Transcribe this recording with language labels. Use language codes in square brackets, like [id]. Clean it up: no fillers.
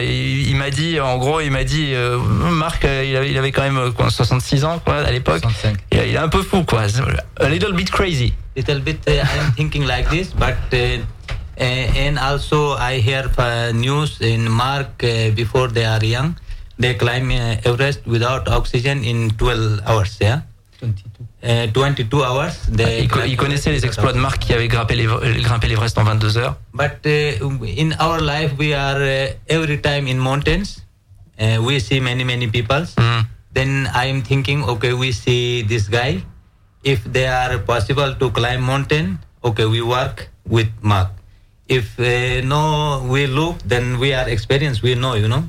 [fr] Il m'a dit, en gros, il m'a dit, Mark, il avait quand même 66 ans quoi, à l'époque. 65. Il est un peu fou, quoi. [en] A little bit crazy. Little bit, I am thinking like this, but and also I hear news in Mark before they are young, they climb Everest without oxygen in 12 hours, yeah. 22 hours. [fr] Il connaissait les exploits de Marc qui avait grimpé l'Everest en 22 heures. [en] But in our life, we are every time in mountains. We see many, many people. Mm. Then I'm thinking, okay, we see this guy. If they are possible to climb mountain, okay, we work with Marc. If no, we look, then we are experienced. We know, you know.